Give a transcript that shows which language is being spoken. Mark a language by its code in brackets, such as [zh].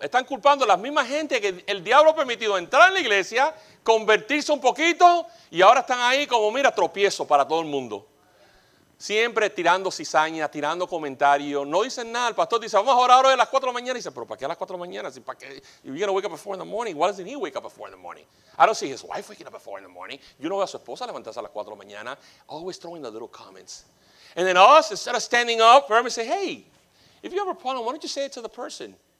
[es] Están culpando a la misma gente que el diablo ha permitido entrar en la iglesia, convertirse un poquito, y ahora están ahí como, mira, tropiezo para todo el mundo. Siempre tirando cizaña, tirando comentarios. No dicen nada. El pastor dice, vamos a orar hoy a las 4 de la mañana. Y dice, pero ¿para qué a las 4 de la mañana? Si, ¿para qué? [en] You're going to wake up at 4 in the morning. Why doesn't he wake up at 4 in the morning? I don't see his wife waking up at 4 in the morning. [es] Yo no veo a su esposa levantarse a las 4 de la mañana. [en] Always throwing the little comments. And then us, instead of standing up, we're going to say, hey, if you have a problem, why don't you say it to the person?